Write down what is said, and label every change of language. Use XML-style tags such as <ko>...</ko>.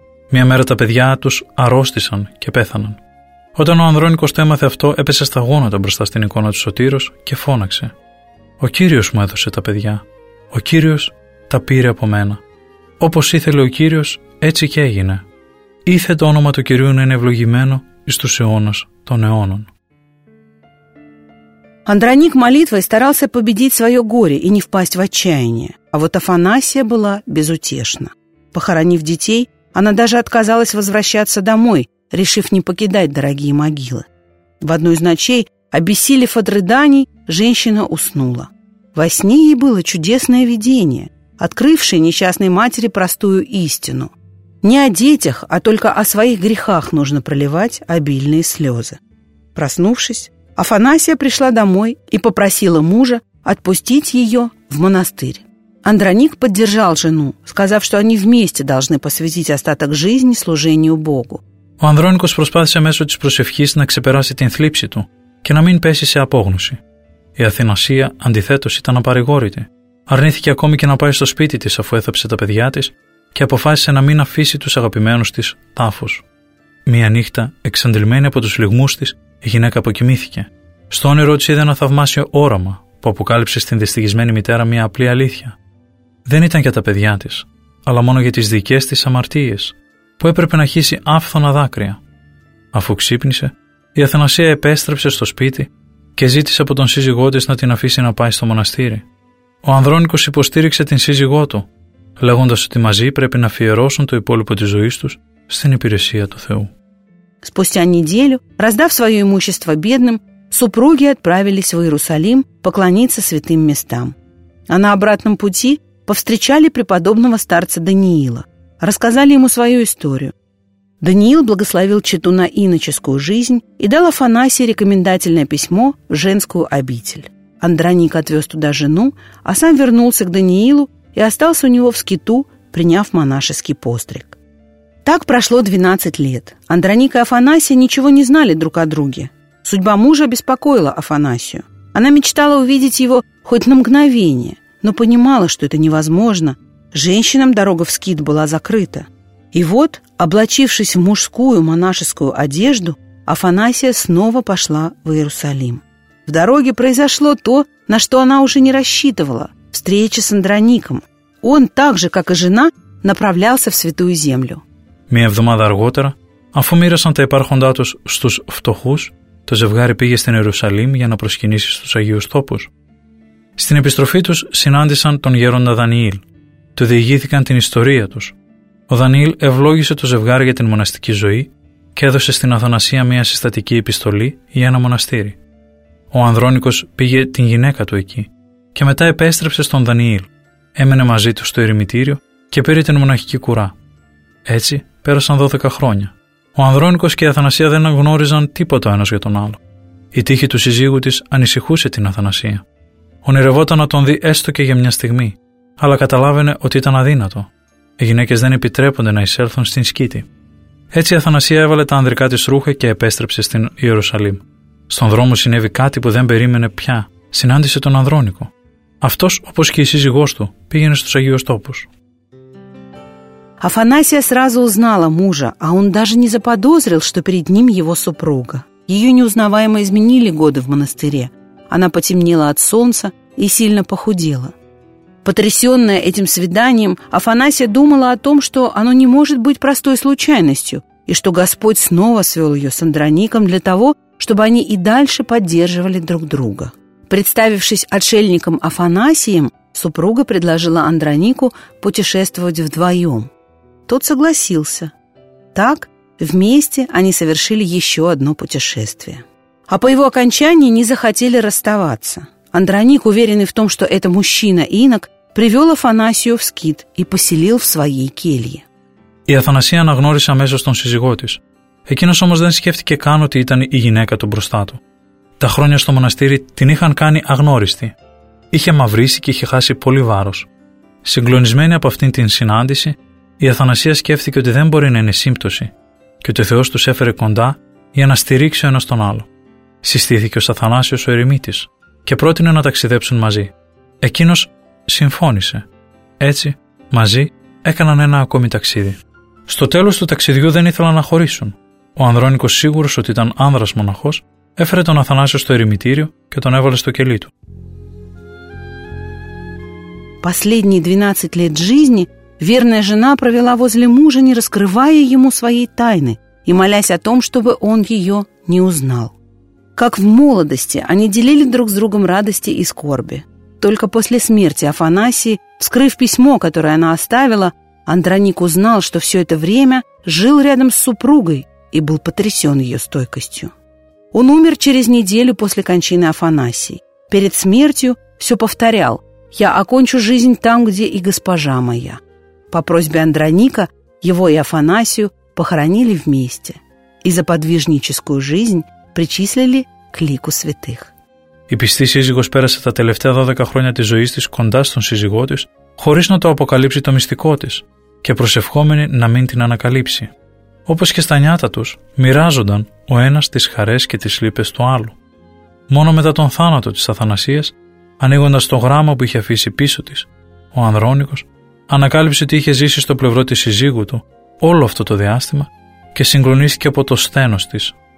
<el>Μία μέρα τα παιδιά τους αρρώστησαν και πέθαναν. Όταν ο Ανδρόνικος το έμαθε αυτό, έπεσε στα γόνατα μπροστά στην εικόνα του Σωτήρος και φώναξε: «Ο Κύριος μου έδωσε τα παιδιά. Ο Κύριος τα πήρε από μένα. Όπως ήθελε ο Κύριος, έτσι και έγινε. Ήθε το όνομα του Κυρίου να είναι ευλογημένο εις τους αιώνας των αιώνων».</el> <ru>Андроник молитвой старался победить свое горе и не впасть в отчаяние, а вот Афанасия была безутешна. Похоронив детей, она даже отказалась возвращаться домой, решив не покидать дорогие могилы. В одну из ночей, обессилев от рыданий, женщина уснула. Во сне ей было чудесное видение, открывшее несчастной матери простую истину. Не о детях, а только о своих грехах нужно проливать обильные слезы. Проснувшись, Афанасия пришла домой и попросила мужа отпустить ее в монастырь. Андроник поддержал жену, сказав, что они вместе должны посвятить остаток жизни служению Богу.</ru> <el>Ο Ανδρόνικος προσπάθησε μέσω της προσευχής να ξεπεράσει την θλίψη του και να μην πέσει σε απόγνωση. Η Αθανασία, αντιθέτως, ήταν απαρηγόρητη. Αρνήθηκε ακόμη και να πάει στο σπίτι της αφού έθαψε τα παιδιά της και αποφάσισε να μην αφήσει τους αγαπημένους της τάφους. Μία νύχτα, εξαντλημένη από τους λυγμούς της, η γυναίκα αποκοιμήθηκε. Στο όνειρό της είδε ένα θαυμάσιο όραμα που αποκάλυψε στην δυστυχισμένη μητέρα μία απλή αλήθεια. Δεν ήταν για τα παιδιά της, αλλά μόνο για τις δικές της αμαρτίες, που έπρεπε να χύσει άφθονα δάκρυα. Αφού ξύπνησε, η Αθανασία επέστρεψε στο σπίτι και ζήτησε από τον σύζυγό της να την αφήσει να πάει στο μοναστήρι. Ο Ανδρόνικος υποστήριξε την σύζυγό του, λέγοντας ότι μαζί πρέπει να αφιερώσουν το υπόλοιπο της ζωής τους στην υπηρεσία του Θεού.</el> <ru>Спустя неделю, раздав свое имущество бедным, супруги отправились в Иерусалим поклониться святым местам. А на обратном пути повстречали преподобного старца Даниила. Рассказали ему свою историю. Даниил благословил чету на иноческую жизнь и дал Афанасии рекомендательное письмо в женскую обитель. Андроник отвез туда жену, а сам вернулся к Даниилу и остался у него в скиту, приняв монашеский постриг. Так прошло 12 лет. Андроник и Афанасия ничего не знали друг о друге. Судьба мужа беспокоила Афанасию. Она мечтала увидеть его хоть на мгновение, но понимала, что это невозможно. Женщинам дорога в скит была закрыта. И вот, облачившись в мужскую монашескую одежду, Афанасия снова пошла в Иерусалим. В дороге произошло то, на что она уже не рассчитывала – встреча с Андроником. Он так же, как и жена, направлялся в Святую Землю.</ru> <el>Μία εβδομάδα αργότερα, αφού μοίρασαν τα υπάρχοντά τους στους φτωχούς, το ζευγάρι πήγε στην Ιερουσαλήμ για να προσκυνήσει στους Αγίους Τόπους. Στην επιστροφή τους συνάντησαν τον γέροντα Δανιήλ. Του διηγήθηκαν την ιστορία τους. Ο Δανιήλ ευλόγησε το ζευγάρι για την μοναστική ζωή και έδωσε στην Αθανασία μία συστατική επιστολή για ένα μοναστήρι. Ο Ανδρόνικος πήγε την γυναίκα του εκεί και μετά επέστρεψε στον Δανιήλ. Έμενε μαζί του στο ερημητήριο και πήρε την μοναχική κουρά. Έτσι πέρασαν 12 χρόνια. Ο Ανδρόνικος και η Αθανασία δεν γνώριζαν τίποτα ένας για τον άλλο. Η τύχη του συζύγου της ανησυχούσε την Αθανασία. Ονειρευόταν να τον δει έστω και για μια στιγμή, αλλά καταλάβαινε ότι ήταν αδύνατο. Οι γυναίκες δεν επιτρέπονται να εισέλθουν στην σκήτη. Έτσι η Αθανασία έβαλε τα ανδρικά της ρούχα και επέστρεψε στην Ιερουσαλήμ. Στον δρόμο συνέβη κάτι που δεν περίμενε πια. Συνάντησε τον Ανδρόνικο. Αυτός, όπως και η σύζυγός του, πήγαινε στους Αγίους Τόπους.</el> <ru>Афанасия сразу узнала мужа, а он даже не заподозрил, что перед ним его супруга. Ее неузнаваемо изменили годы в монастыре. Она потемнела от солнца и сильно похудела. Потрясенная этим свиданием, Афанасия думала о том, что оно не может быть простой случайностью, и что Господь снова свел ее с Андроником для того, чтобы они и дальше поддерживали друг друга. Представившись отшельником Афанасием, супруга предложила Андронику путешествовать вдвоем. Тот согласился. Так вместе они совершили еще одно путешествие. А по его окончании не захотели расставаться. Андроник, уверенный в том, что это мужчина инок, привел Афанасию в скит и поселил в своей келье.</ru> <el>Η Αθανασία αναγνώρισε αμέσως τον σύζυγό της. Εκείνος όμως δεν σκέφτηκε καν ότι ήταν η γυναίκα του μπροστά του. Τα χρόνια στο μοναστήρι την είχαν κάνει αγνώριστη. Είχε μαυρίσει και είχε χάσει πολύ βάρος. Συγκλονισμένη από αυτήν την συνάντηση, η Αθανασία σκέφτηκε ότι δεν μπορεί να είναι σύμπτωση και ότι ο Θεός τους έφερε κοντά για να στηρίξει ο ένας τον άλλο. Συστήθηκε ως Αθανάσιος ο ερημίτης και πρότεινε να ταξιδέψουν μαζί. Εκείνος συμφώνησε. Έτσι, μαζί έκαναν ένα ακόμη ταξίδι. Στο τέλος του ταξιδιού δεν ήθελαν να χωρίσουν. Ο Ανδρόνικος, σίγουρος ότι ήταν άνδρας μοναχός, έφερε τον Αθανάσιο στο ερημητήριο και τον έβαλε στο κελί του.</el> <ru>Последние 12 лет жизни верная жена провела возле мужа, не раскрывая ему своей тайны и молясь о том, чтобы он ее не узнал. Как в молодости они делили друг с другом радости и скорби. Только после смерти Афанасии, вскрыв письмо, которое она оставила, Андроник узнал, что все это время жил рядом с супругой и был потрясен ее стойкостью. Он умер через неделю после кончины Афанасии. Перед смертью все повторял: «Я окончу жизнь там, где и госпожа моя». По просьбе Андроника его и Афанасию похоронили вместе и за подвижническую жизнь причислили к лику святых.</ru> <el>Η πιστή σύζυγος πέρασε τα τελευταία 12 χρόνια της ζωής της κοντά στον σύζυγό της, χωρίς να το αποκαλύψει το μυστικό της και προσευχόμενη να μην την ανακαλύψει. Όπως και στα νιάτα τους, μοιράζονταν ο ένας τις χαρές και τις λύπες του άλλου. Μόνο μετά τον θάνατο της Αθανασίας, ανοίγοντας το γράμμα που είχε αφήσει πίσω της, ο Ανδρόνικος ανακάλυψε ότι είχε ζήσει στο πλευρό της σύζυγου του όλο αυτό το διάστημα και συγκλονίστηκε από το σθένος της.</el>